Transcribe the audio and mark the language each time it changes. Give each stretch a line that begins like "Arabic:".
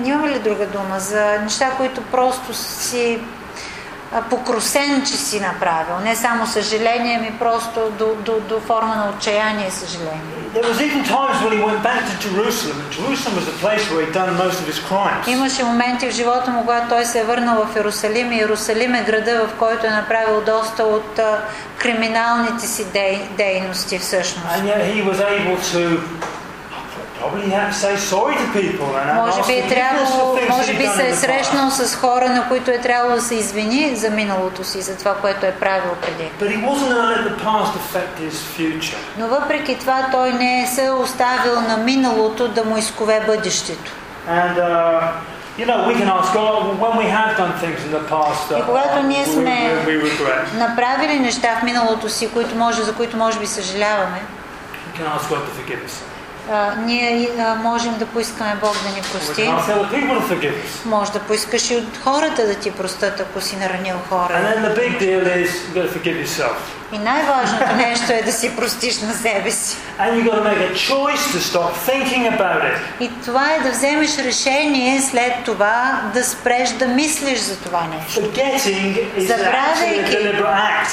Bulgarian: Имаме ли друга дума за неща, които просто си покрусен, че си направил. Не само съжаление, ми просто до форма на отчаяние съжаление.
English: There was even times when he went back to Jerusalem. Jerusalem was the place where he'd done most of his crimes.
Bulgarian: Имаше моменти в живота му, когато той се е върнал в Йерусалим, и Йерусалим е града, в който е направил доста от криминалните си дейности всъщност.
English: And yet he was able to probably have to say sorry to people and
Bulgarian: може би трябвало, може би се е срещнал с хора, на които е трябвало да се извини за миналото си, за това, което е правил преди.
English: But he wasn't going to let the past affect his future.
Bulgarian: Но въпреки това той не е се оставил на миналото да му изкове бъдещето.
English: And you know, we can ask God when we have done things in the past.
Bulgarian: И когато ние сме направили неща в миналото си, които може, за които може би съжаляваме.
English: We can ask God to forgive us.
Bulgarian: Ние можем да поискаме Бог да ни прости. Може да поискаш и от хората да ти простат, ако си наранил хора.
English: And then the big deal is you got to forgive yourself.
Bulgarian: И най-важното нещо е да си простиш на себе си.
English: And you got to make a choice to stop thinking about it.
Bulgarian: И това е да вземеш решение след това да спреш да мислиш за това нещо.
English: Forgetting is actually a deliberate act.